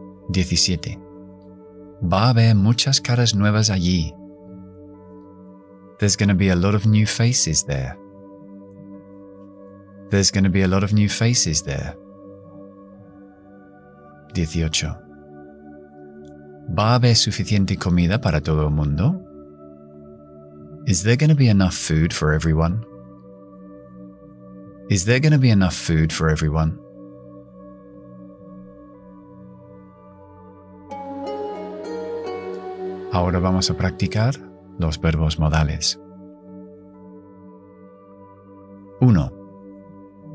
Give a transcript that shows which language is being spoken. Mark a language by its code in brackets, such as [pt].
[es] 17. Va a haber muchas caras nuevas allí. [en] There's going to be a lot of new faces there. There's going to be a lot of new faces there. 18. [es] ¿Va a haber suficiente comida para todo el mundo? [en] Is there going to be enough food for everyone? Is there going to be enough food for everyone? [es] Ahora vamos a practicar los verbos modales. 1.